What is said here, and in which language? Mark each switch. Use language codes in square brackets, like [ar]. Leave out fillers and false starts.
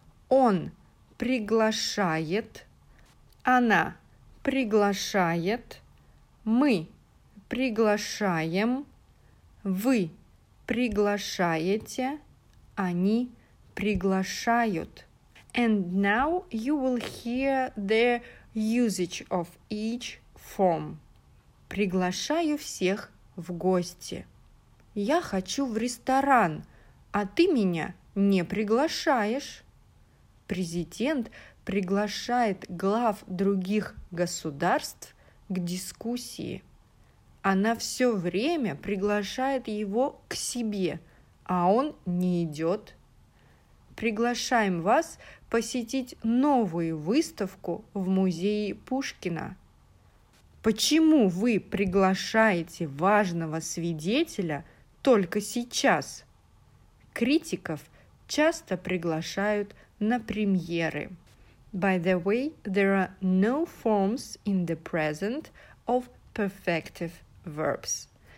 [ru] Он приглашает. Она приглашает. Мы приглашаем. Вы приглашаете, они приглашают. [en] And now you will hear the usage of each form. [ru] Приглашаю всех в гости. Я хочу в ресторан, а ты меня не приглашаешь. Президент приглашает глав других государств к дискуссии. Она все время приглашает его к себе, а он не идет. Приглашаем вас посетить новую выставку в музее Пушкина. Почему вы приглашаете важного свидетеля только сейчас? Критиков часто приглашают на премьеры. [en] By the way, there are no forms in the present of perfective verbs.